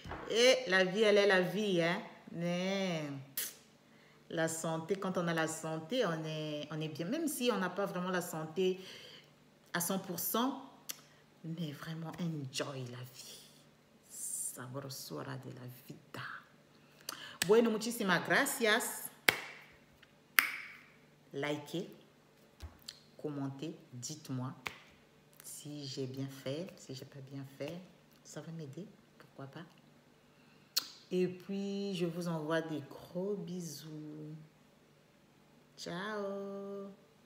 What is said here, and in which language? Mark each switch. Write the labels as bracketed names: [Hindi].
[French] Et la vie, elle est la vie, hein? Mais la santé, quand on a la santé, on est bien. Même si on n'a pas vraiment la santé à 100%, mais vraiment, enjoy la vie. [Spanish] Sabrosura de la vida. Bueno, muchísimas gracias. [French] Likez, commentez, dites-moi si j'ai bien fait, si j'ai pas bien fait. Ça va m'aider, pourquoi pas? Et puis, je vous envoie des gros bisous. Ciao !